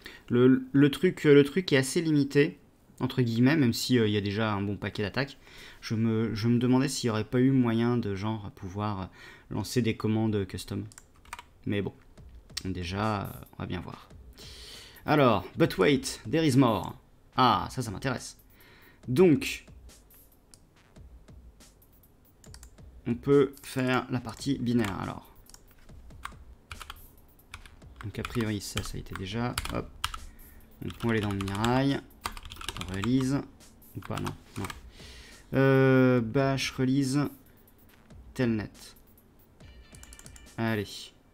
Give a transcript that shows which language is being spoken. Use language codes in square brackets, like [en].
[fr] Le truc est assez limité, entre guillemets, même si il y a déjà un bon paquet d'attaques. Je me demandais s'il n'y aurait pas eu moyen de genre pouvoir lancer des commandes custom. Mais bon, déjà, on va bien voir. Alors, [en] but wait, there is more. [fr] Ah, ça m'intéresse. Donc, on peut faire la partie binaire, alors. Donc, a priori, ça a été déjà. Hop. On peut aller dans le Mirai. Release ou pas, non. Bash release telnet. Allez.